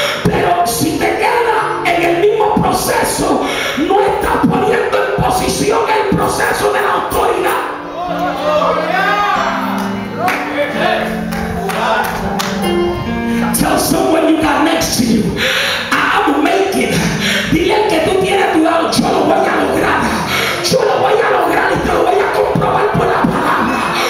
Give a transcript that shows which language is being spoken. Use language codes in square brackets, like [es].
[es] Pero si te quedas en el mismo proceso, no estás poniendo en posición el proceso de la autoridad. [en] Tell someone you got next to you, I'm making. [es] Dile al que tú tienes a tu lado, yo lo voy a lograr. Yo lo voy a lograr y te lo voy a comprobar por la palabra.